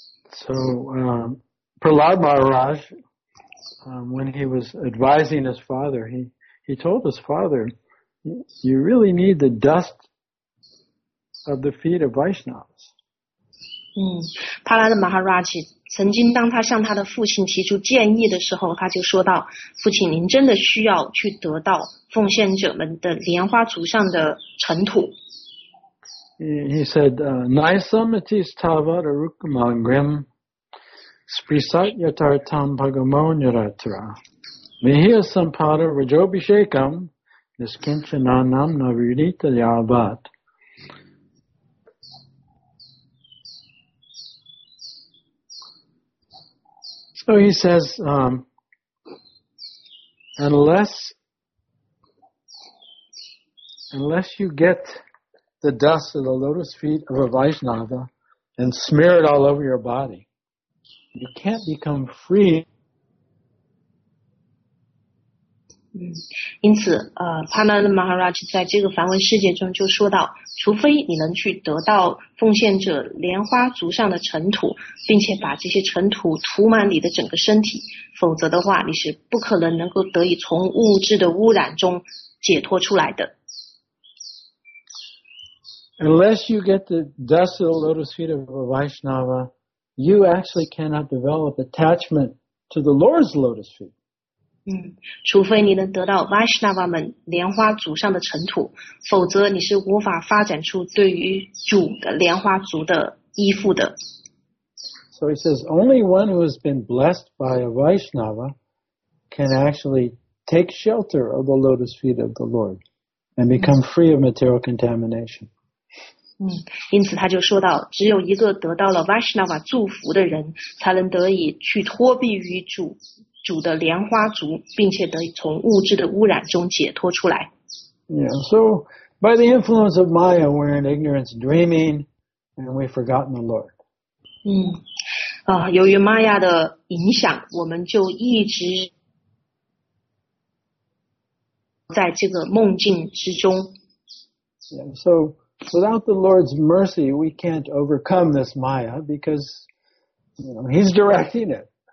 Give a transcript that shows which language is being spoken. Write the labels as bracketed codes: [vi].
[en] So Prahlad Maharaj, when he was advising his father, he told his father, "You really need the dust of the feet of Vaishnavas." [zh] 帕拉的马哈拉奇曾经当他向他的父亲提出建议的时候，他就说道，父亲您真的需要去得到奉献者们的莲花足上的尘土。 [en] He said, [sa] Naisamatis Tavad Arukamangrim Sprisat Yatartam Pagamonyaratra Mihya Sampada Rajobishekam Niskinchananam Navirita Yavat。 [en] So he says, unless you get the dust of the lotus feet of a Vaishnava and smear it all over your body, you can't become free. [zh] 因此Pananda Maharaj 在这个梵文世界中就说到，除非你能去得到奉献者莲花足上的尘土，并且把这些尘土涂满你的整个身体，否则的话你是不可能能够得以从物质的污染中解脱出来的。 [en] Unless you get the dust of the lotus feet of a Vaishnava, you actually cannot develop attachment to the Lord's lotus feet. [zh] 除非你能得到 Vaishnava 们莲花足上的尘土，否则你是无法发展出对于主的莲花足的依附的。 [en] So he says, only one who has been blessed by a Vaishnava can actually take shelter of the lotus feet of the Lord and become free of material contamination. [zh] 因此他就说到，只有一个得到了 Vaishnava 祝福的人，才能得以去脱避于主的莲花足，并且得以从物质的污染中解脱出来。 [en] Yeah, so by the influence of Maya, we're in ignorance dreaming, and we've forgotten the Lord. [zh] 由于 Maya 的影响，我们就一直在这个梦境之中。 [en] Yeah, so without the Lord's mercy, we can't overcome this Maya because He's directing it.